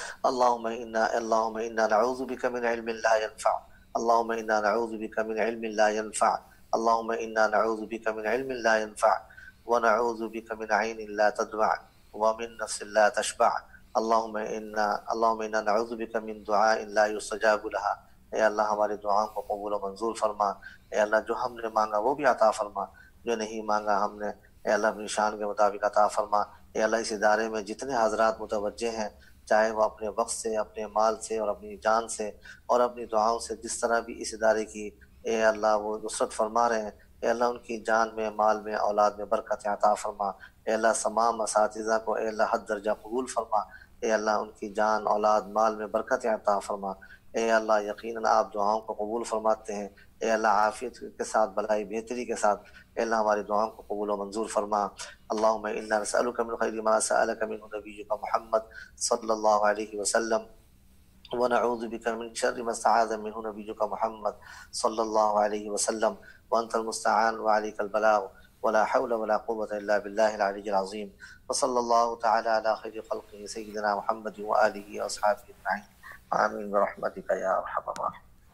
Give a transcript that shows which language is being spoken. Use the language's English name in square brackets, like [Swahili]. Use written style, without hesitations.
[Arabic] اللہم انا نعوذ بک من علم لا ينفع. اللہم انا نعوذ بک من علم لا ينفع. اللهم انا نعوذ بك من علم لا ينفع ونعوذ بك من عين لا تدمع ومن نفس لا تشبع. اللهم انا نعوذ بك من دعاء لا يستجاب لها. [Urdu] اے اللہ ہماری دعاؤں کو قبول و منظور فرما. اے اللہ جو ہم نے مانگا وہ بھی عطا فرما جو نہیں مانگا ہم نے اے اللہ اپنی شان کے مطابق عطا فرما. اے اللہ اس ادارے میں جتنے حضرات متوجہ ہیں چاہے وہ اپنے وقت سے اپنے مال سے اور اپنی جان سے اور اپنی دعاؤں سے جس طرح بھی اس ادارے کی اے اللہ وہ نصرت فرما رہے ہیں اے اللہ ان کی جان میں مال میں اولاد میں برکت عطا فرما. اے اللہ تمام اساتذہ کو اے اللہ حد درجہ قبول فرما. اے اللہ ان کی جان اولاد مال میں برکت عطا فرما. اے اللہ یقیناً آپ دعاؤں کو قبول فرماتے ہیں. اے اللہ عافیت کے ساتھ بلائی بہتری کے ساتھ اے اللہ ہماری دعاؤں کو قبول و منظور فرما. [Arabic] اللہم انا نسألک من خیر ما سألک من نبیک محمد صلی اللہ علیہ وسلم ونعوذ بك من شر ما استعاذ منه نبيك محمد صلى الله عليه وسلم وانت المستعان وعليك البلاغ ولا حول ولا قوه الا بالله العلي العظيم وصلى الله تعالى على خير خلقه سيدنا محمد واله واصحابه اجمعين امين برحمتك يا ارحم الراحمين.